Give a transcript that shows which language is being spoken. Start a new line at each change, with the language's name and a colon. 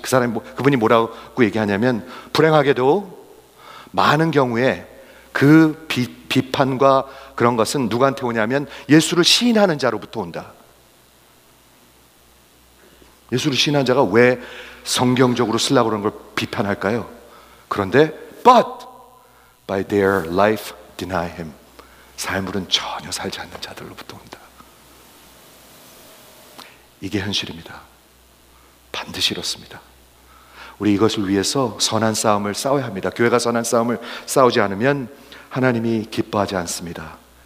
Korean: 그 사람이 뭐, 그분이 뭐라고 얘기하냐면 불행하게도 많은 경우에 그 비판과 그런 것은 누구한테 오냐면 예수를 시인하는 자로부터 온다. 예수를 시인한 자가 왜 성경적으로 쓰려고 그런 걸 비판할까요? 그런데
English: but by their life deny him.
Korean: 삶으로는 전혀 살지 않는 자들로부터 온다. 이게 현실입니다. 반드시 이렇습니다. 우리 이것을 위해서 선한 싸움을 싸워야 합니다. 교회가 선한 싸움을 싸우지 않으면 하나님이 기뻐하지 않습니다.